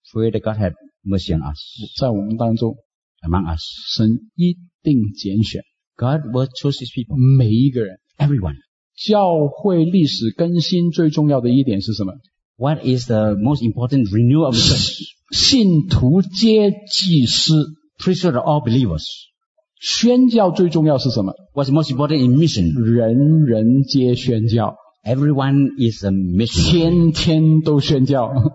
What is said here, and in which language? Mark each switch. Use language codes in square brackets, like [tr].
[en] Pray that God have mercy on us. [zh] 在我们当中 [en] Among us. [zh] 神一定拣选 [en] God will choose his people. [zh] 每一个人 [en] Everyone. [zh] 教会历史更新最重要的一点是什么 [en] What is the most important renewal of the church? [zh] 信徒皆祭司 [en] Priesthood of all believers. [zh] 宣教最重要是什么 [en] What's most important in mission? [zh] 人人皆宣教 [en] Everyone is a missionary. [zh] 天天都宣教